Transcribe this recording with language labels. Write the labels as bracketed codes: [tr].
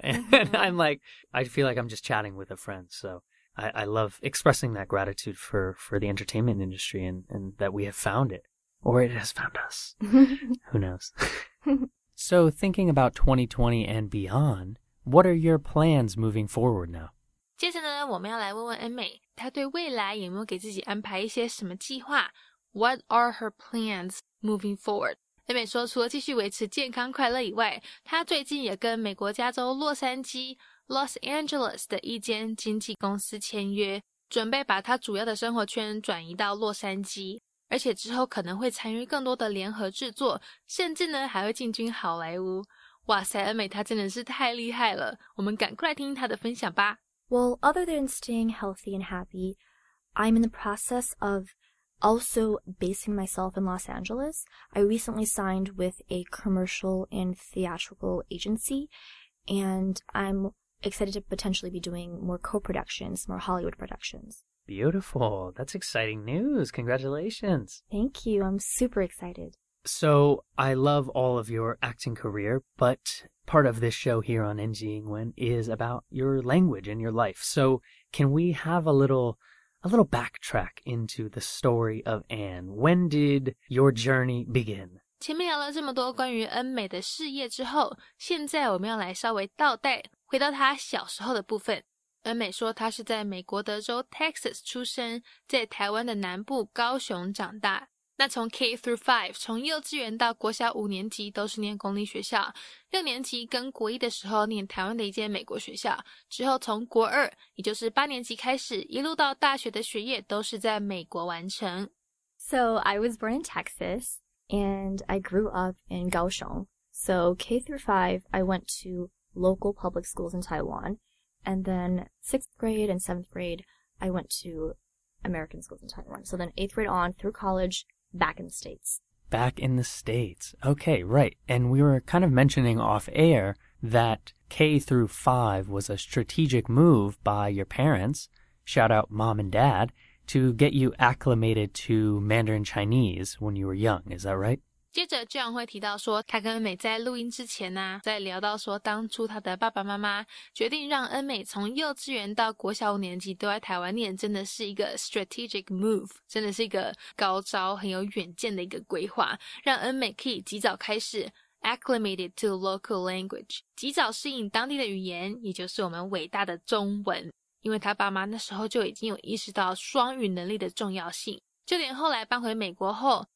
[en] And mm-hmm. I'm like, I feel like I'm just chatting with a friend. So I love expressing that gratitude for the entertainment industry and that we have found it. Or it has found us. Who knows? So thinking about 2020 and beyond, what are your plans moving forward now? [zh] 接着呢，我们要来问问恩美，她对未来有没有给自己安排一些什么计划？ [en] What are her plans moving forward? [zh] 恩美说，除了继续维持健康快乐以外，她最近也跟美国加州洛杉矶 Los Angeles 的一间经纪公司签约，准备把她主要的生活圈转移到洛杉矶。而且之后可能会参与更多的联合制作，甚至呢还会进军好莱坞。哇塞，恩美她真的是太厉害了！我们赶快来听她的分享吧。 [en] Well, other than staying healthy and happy, I'm in the process of also basing myself in Los Angeles. I recently signed with a commercial and theatrical agency, and I'm excited to potentially be doing more co-productions, more Hollywood productions. Beautiful. That's exciting news. Congratulations. Thank you. I'm super excited. So I love all of your acting career, but part of this show here on NG Ingwen is about your language and your life. So can we have a little backtrack into the story of Anne? When did your journey begin? [zh] 前面聊了这么多关于恩美的事业之后，现在我们要来稍微倒带，回到她小时候的部分。恩美说她是在美国德州 Texas 出生，在台湾的南部高雄长大。那从 [en] K through 5， [zh] 从幼稚园到国小五年级都是念公立学校，六年级跟国一的时候念台湾的一间美国学校，之后从国二，也就是八年级开始，一路到大学的学业都是在美国完成。 [en] So I was born in Texas and I grew up in 高雄。 So K through 5 I went to local public schools in Taiwan. And then 6th grade and 7th grade, I went to American schools in Taiwan. So then 8th grade on through college, back in the States. Back in the States. Okay, right. And we were kind of mentioning off air that K through 5 was a strategic move by your parents, shout out mom and dad, to get you acclimated to Mandarin Chinese when you were young. Is that right? [zh] 接着这样会提到说他跟恩美在录音之前啊在聊到说当初他的爸爸妈妈决定让恩美从幼稚园到国小五年级都在台湾念真的是一个 [en] strategic move, [zh] 真的是一个高招很有远见的一个规划让恩美可以及早开始 [en] acclimated to local language, [zh] 及早适应当地的语言也就是我们伟大的中文因为他爸妈那时候就已经有意识到双语能力的重要性就连后来搬回美国后